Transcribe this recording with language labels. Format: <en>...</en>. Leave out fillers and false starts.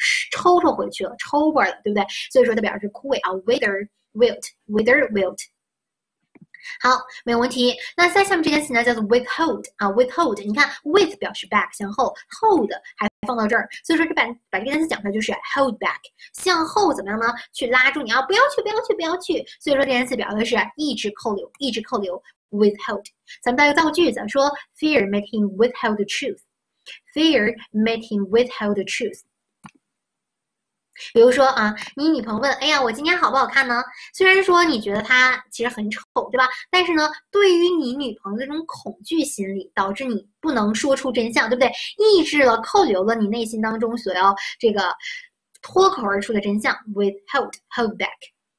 <zh>抽回去了，抽味了，对不对？所以说它表示枯萎啊，wither wilt wither wilt。好，没有问题。那在下面这件事呢，叫做 withhold 啊，withhold。你看，with 表示 back 向后，hold 还放到这儿，所以说把这个单词讲出来就是 hold back 向后怎么样呢？去拉住你啊，不要去，不要去，不要去。所以说这件事表示的是一直扣留，一直扣留 withhold。咱们再造个句子，说</zh> <en>fear made him withhold the truth，fear made him withhold the truth。</en> <zh>比如说啊，你女朋友问：“哎呀，我今天好不好看呢？” 虽然说你觉得她其实很丑，对吧？但是呢，对于你女朋友这种恐惧心理，导致你不能说出真相，对不对？抑制了、扣留了你内心当中所要这个脱口而出的真相，withhold back。</zh>